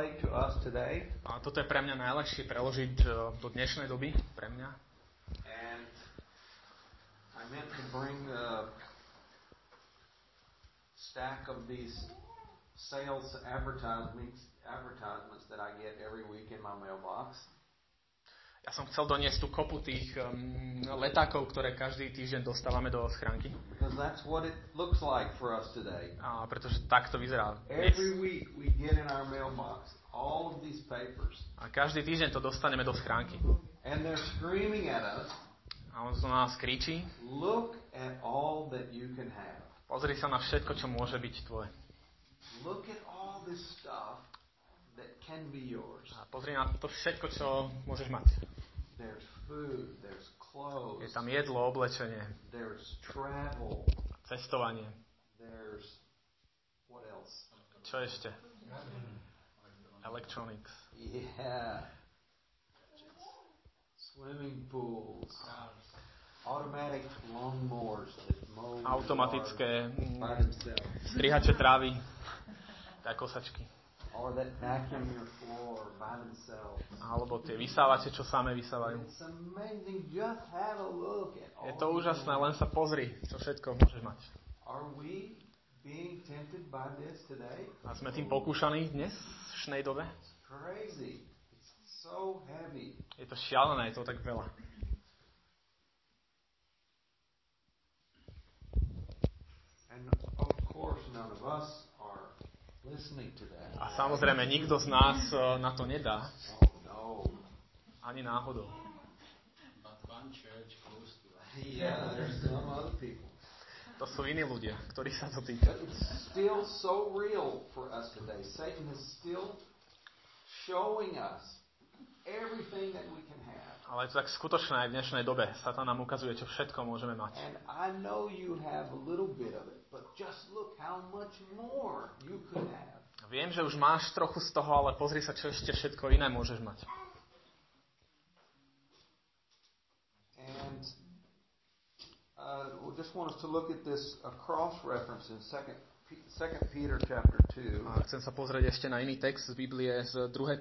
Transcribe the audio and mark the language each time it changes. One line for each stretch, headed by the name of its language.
Slovak: A toto je pre mňa najľahšie preložiť do dnešnej doby, pre mňa.
English: I meant to bring a stack of these sales advertisements that I get every week in my mailbox.
Slovak: Ja som chcel doniesť tú kopu tých letákov, ktoré každý týždeň dostávame do schránky.
English: Because that's what it looks like for us today.
Slovak: A pretože tak to vyzerá.
English: Every week we get in our mailbox all of these papers.
Slovak: A každý týždeň to dostaneme do schránky.
English: And they're screaming at us.
Slovak: A on sa na nás kričí.
English: Look at all that you can have.
Slovak: Pozri sa na všetko, čo môže byť tvoje.
English: Look at all. this stuff that can be yours.
Slovak: A pozri na to všetko, čo môžeš mať.
English: There's food, there's clothes.
Slovak: Je tam jedlo, oblečenie.
English: There's travel.
Slovak: Cestovanie.
English: There's what else?
Slovak: Čo ešte?
English: Electronics. Yeah. Swimming pools. Automatic lawnmowers that mow.
Slovak: Automatické strihače trávy. Tak kosačky.
English: Or that vacuum your floor by themselves.
Slovak: Alebo tie vysávače, čo same vysávajú.
English: It's amazing. Just have a look at all.
Slovak: Je to úžasné, len sa pozri, čo všetko môžeš mať.
English: Are we being tempted by this today?
Slovak: A sme tým pokúšaní dnes, v dnešnej dobe?
English: It's crazy. It's so heavy.
Slovak: Je to šialené, je to tak veľa.
English: And of course none of us are listening to that.
Slovak: A samozrejme nikto z nás na to nedá.
English: Oh, no.
Slovak: Ani náhodou.
English: But one church close to us. Yeah, there's some other people.
Slovak: To sú iní ľudia, ktorí sa to týka.
English: It's still so real for us today. Satan is still showing us everything that we can have.
Slovak: Ale je to tak skutočné aj v dnešnej dobe. Satan nám ukazuje, čo všetko môžeme mať.
English: And I know you have a little bit of it, but just look how much more you could have.
Slovak: Viem, že už máš trochu z toho, ale pozri sa, čo ešte všetko iné môžeš mať.
English: And we just want us to look at this cross reference in 2 Peter chapter 2.
Slovak: Chcem sa pozrieť ešte na iný text z Biblie z 2.